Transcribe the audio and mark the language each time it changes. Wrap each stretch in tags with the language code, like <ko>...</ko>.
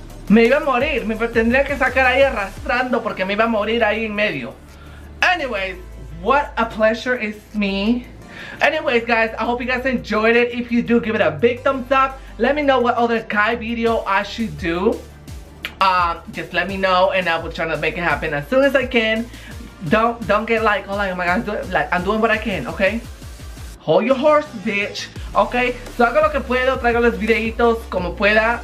<es>Me iba a morir, me tendría que sacar ahí arrastrando porque me iba a morir ahí en medio.</es> <en>Anyways, what a pleasure is me. Anyways, guys, I hope you guys enjoyed it. If you do, give it a big thumbs up. Let me know what other Kai video I should do. Just let me know and I will try to make it happen as soon as I can. Don't get like, oh my God, I'm doing what I can, okay? Hold your horse, bitch, okay?</en> <es>So hago lo que puedo, traigo los videitos como pueda.</es>